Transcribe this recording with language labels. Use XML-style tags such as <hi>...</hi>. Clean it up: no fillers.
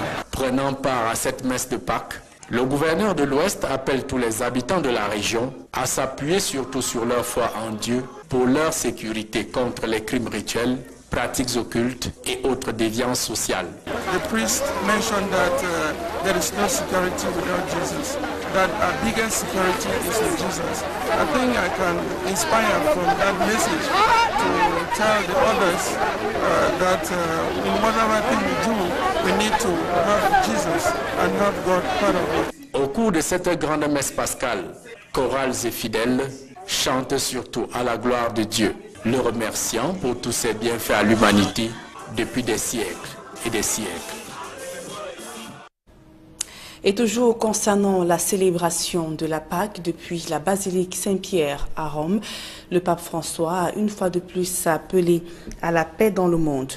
<fr>Prenant part à cette messe de Pâques, le gouverneur de l'Ouest appelle tous les habitants de la région à s'appuyer surtout sur leur foi en Dieu pour leur sécurité contre les crimes rituels, pratiques occultes et autres déviances sociales.</fr> <en>The priest mentioned that there is no security without Jesus. That our biggest security is in Jesus. I think I can inspire from that message to tell the others that in whatever thing we do, we need to have Jesus and have God part of us.</en> <fr>Au cours de cette grande messe pascale, chorales et fidèles chantent surtout à la gloire de Dieu, le remerciant pour tous ses bienfaits à l'humanité depuis des siècles et des siècles. Et toujours concernant la célébration de la Pâque depuis la basilique Saint-Pierre à Rome, le pape François a une fois de plus appelé à la paix dans le monde.</fr>